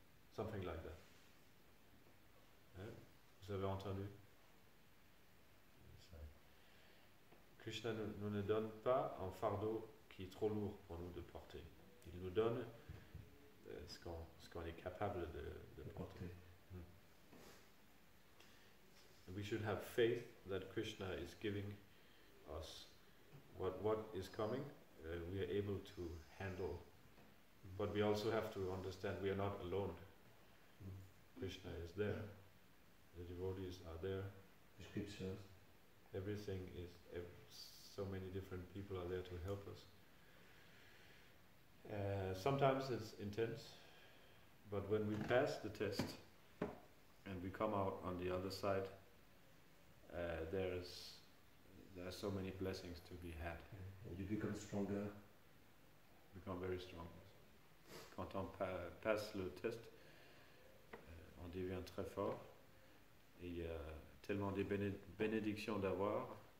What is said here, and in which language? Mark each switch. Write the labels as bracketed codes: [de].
[en] Something like that. [fr] Hein? vous avez entendu? Krishna ne nous donne pas un fardeau qui est trop lourd pour nous de porter. Il nous donne ce qu'on est capable de porter. [en] We should have faith that Krishna is giving us what is coming. We are able to handle, but we also have to understand we are not alone. Krishna is there. The devotees are there. The scriptures. Everything is. So many different people are there to help us. Sometimes it's intense, but when we pass the test and we come out on the other side, there are so many blessings to be had. And you become stronger. Become very strong. [fr] Quand on passe le test, on devient très fort. Et il y a tellement de bénédictions d'avoir.